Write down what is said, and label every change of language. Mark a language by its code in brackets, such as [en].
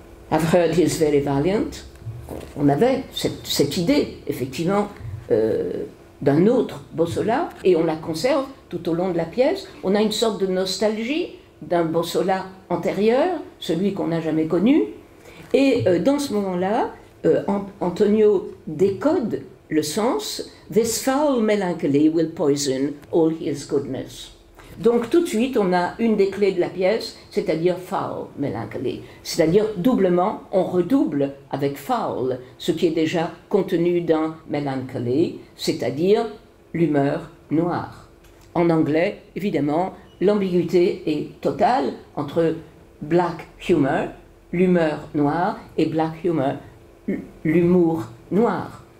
[en] I've heard he is very valiant. [fr] On avait cette idée, effectivement, d'un autre Bossola, et on la conserve tout au long de la pièce. On a une sorte de nostalgie d'un Bossola antérieur, celui qu'on n'a jamais connu. Et dans ce moment-là, Antonio décode le sens. [en] This foul melancholy will poison all his goodness. [fr] Donc tout de suite, on a une des clés de la pièce, c'est-à-dire foul melancholy. C'est-à-dire doublement, on redouble avec foul, ce qui est déjà contenu dans melancholy, c'est-à-dire l'humeur noire. En anglais, évidemment, l'ambiguïté est totale entre black humor, l'humeur noire, et black humor, l'humour noir.